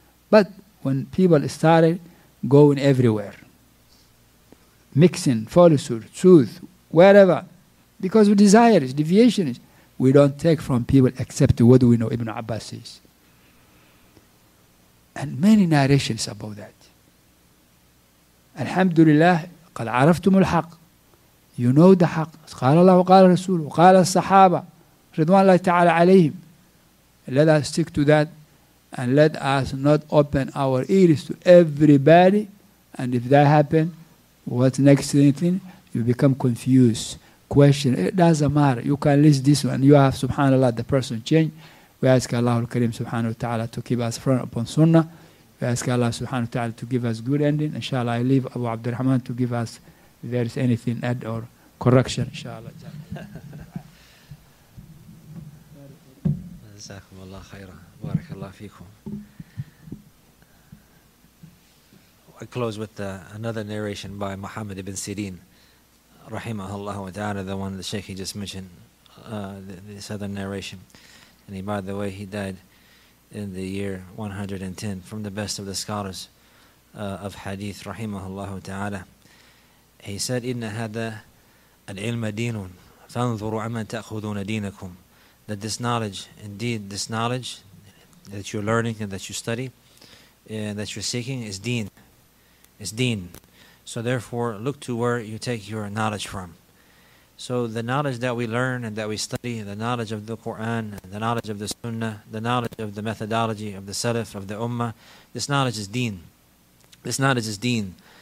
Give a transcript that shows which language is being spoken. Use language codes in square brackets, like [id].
[en] But when people started going everywhere, mixing falsehood, truth, wherever, because of desires, deviations, we don't take from people except what we know Ibn Abbas says. And many narrations about that. [ar] Alhamdulillah, قَدْ عَرَفْتُمُ الْحَقِّ. [en] You know the haq. [ar] قال الله وقال الرسول وقال الصحابة رضوان الله تعالى عليهم. [en] Let us stick to that and let us not open our ears to everybody. And if that happen, what's next thing? You become confused. Question. It doesn't matter. You can list this one. You have subhanAllah the person change. We ask Allah al-Karim subhanahu wa ta'ala to keep us front upon sunnah. We ask Allah subhanahu wa ta'ala to give us good ending. Inshallah I leave Abu Abdurrahman to give us if there is anything add or correction, inshallah. Jazakum Allah khairan. Barakallah fikum. I close with another narration by Muhammad ibn Sirin, rahimahullah wa ta'ala, the one the Sheikh he just mentioned, this other narration. And he, by the way, he died in the year 110 from the best of the scholars of hadith, rahimahullah ta'ala. He said, [ar] إِنَّ هَذَا الْعِلْمَ دِينٌ فَانْظُرُوا عَمَّنْ تَأْخُذُونَ دِينَكُمْ. [en] That this knowledge, indeed this knowledge that you're learning and that you study and that you're seeking is deen. It's deen. So therefore, look to where you take your knowledge from. So the knowledge that we learn and that we study, the knowledge of the Qur'an, the knowledge of the Sunnah, the knowledge of the methodology of the Salaf, of the Ummah, this knowledge is deen. This knowledge is deen.